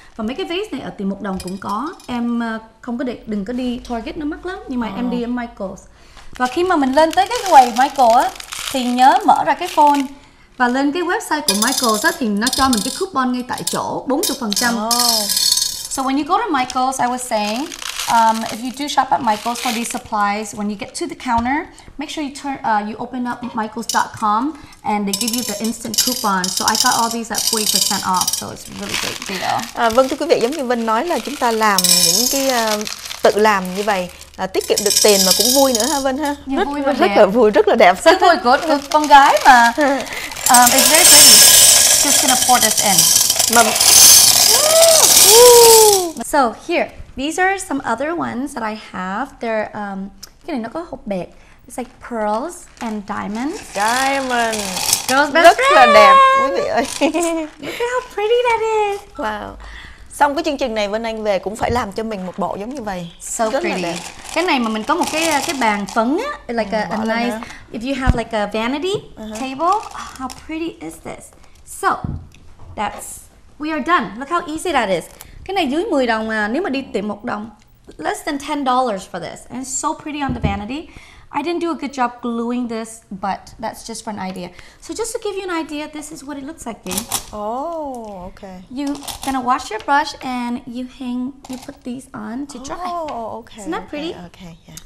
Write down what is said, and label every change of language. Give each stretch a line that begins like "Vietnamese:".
Vietnamese: Và mấy cái vase này ở tiền một đồng cũng có, em không có để, đừng có đi Target nó mắc lắm, nhưng mà em đi ở Michael's. Và khi mà mình lên tới cái quầy Michael á thì nhớ mở ra cái phone. Và lên cái website của Michael's á thì nó cho mình cái coupon ngay tại chỗ 40%.
English: So when you go to Michael's, I was saying, if you do shop at Michael's for these supplies, when you get to the counter, make sure you turn, you open up michaels.com and they give you the instant coupon. So I got all these at 40% off, so it's a really great deal.
Vietnamese: Vâng, thưa quý vị, giống như Vân nói là chúng ta làm những cái tự làm như vậy, tiết kiệm được tiền mà cũng vui nữa ha Vân ha? Rất là vui, rất là đẹp. Rất vui của con gái mà.
English: It's very pretty. Just gonna pour this in. So here, these are some other ones that I have. They're
Vietnamese: cái này nó có hộp bẹt.
English: It's like pearls and diamonds. Diamonds. Girl's best friend.
Vietnamese: Rất là đẹp, quý vị ơi.
English: Look at how pretty that is. Wow.
Vietnamese: Xong cái chương trình này, Vân Anh về cũng phải làm cho mình một bộ giống như vậy.
English: So
Vietnamese: rất
English: pretty.
Vietnamese: Cái này mà mình có một cái bàn phấn á,
English: like a nice.
Vietnamese: Đó.
English: If you have like a vanity table, how pretty is this? So that's, we are done. Look how easy that is.
Vietnamese: Cái này dưới 10 đồng mà, nếu mà đi tiệm 1 đồng.
English: Less than $10 for this. And it's so pretty on the vanity. I didn't do a good job gluing this, but that's just for an idea. So just to give you an idea, this is what it looks like, babe. Oh, okay. You're gonna wash your brush and you hang, you put these on to dry. Oh, okay. Isn't that pretty? Okay, yeah.